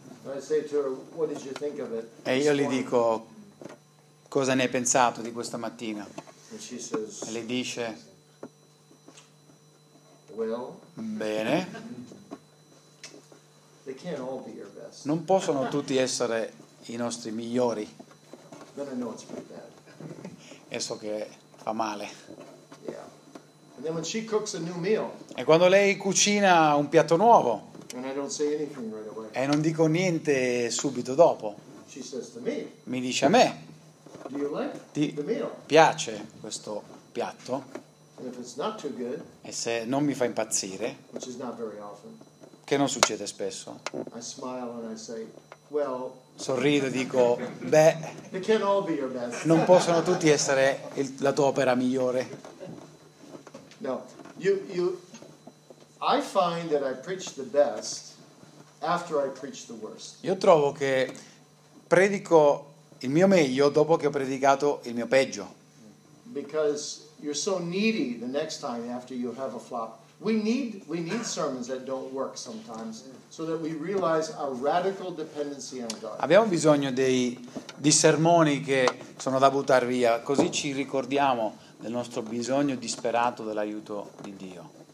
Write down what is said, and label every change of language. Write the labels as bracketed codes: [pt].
[en] And I say to her, what did you think of it? [it] E io gli dico, cosa ne hai pensato di questa mattina? [en] And she says, [it] e lei dice, [en] well, [it] bene. [en] They can't all be your best. [it] Non possono tutti essere i nostri migliori. [en] Then I know it's pretty bad. [it] E so che fa male. [en] Yeah. And then when she cooks a new meal, [it] e quando lei cucina un piatto nuovo, [en] and I don't say anything right away, [it] e non dico niente subito dopo, [en] she says to me, [it] mi dice a me, [en] do you like [it] ti [en] the meal? [it] Piace questo piatto? [en] And if it's not too good, [it] e se non mi fa impazzire, [en] which is not very often, [it] che non succede spesso, [en] I smile and I say, well, [it] sorrido e dico, beh, [en] they can't all be your best. [it] Non possono tutti essere la tua opera migliore. [en] No, you I find that I preach the best after I preach the worst. [it] Io trovo che predico il mio meglio dopo che ho predicato il mio peggio. [en] Because you're so needy the next time after you have a flop. We need sermons that don't work sometimes, so that we realize our radical dependency on God. [it] Abbiamo bisogno di sermoni che sono da buttare via, così ci ricordiamo del nostro bisogno disperato dell'aiuto di Dio.